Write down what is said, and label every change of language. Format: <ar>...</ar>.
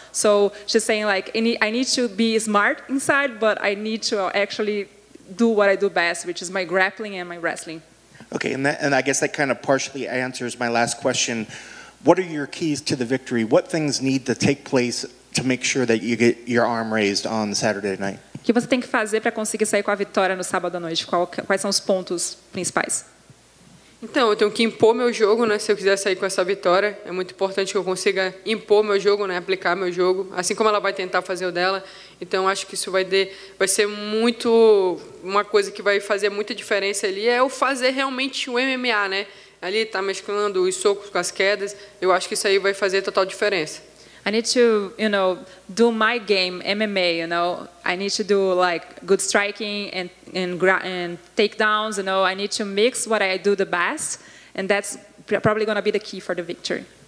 <en>So she's saying like, I need to be smart inside, but I need to actually do what I do best, which is my grappling and my wrestling. Okay, and I guess that kind of partially answers my last question. What are your keys to the victory? What things need to take place to make sure that you get your arm raised on Saturday night?</en> <pt>O que você tem que fazer para conseguir sair com a vitória no sábado à noite? Quais são os pontos principais? Então, eu tenho que impor meu jogo, né? Se eu quiser sair com essa vitória, é muito importante que eu consiga impor meu jogo, né? Aplicar meu jogo, assim como ela vai tentar fazer o dela. Então, acho que isso vai ser muito uma coisa que vai fazer muita diferença ali, é eu fazer realmente o MMA, né? Ali tá mesclando os socos com as quedas, eu acho que isso aí vai fazer total diferença.</pt> <en>I need to, you know, do my game, MMA, you know. I need to do, like, good striking and takedowns, you know. I need to mix what I do the best, and that's probably going to be the key for the victory.</en>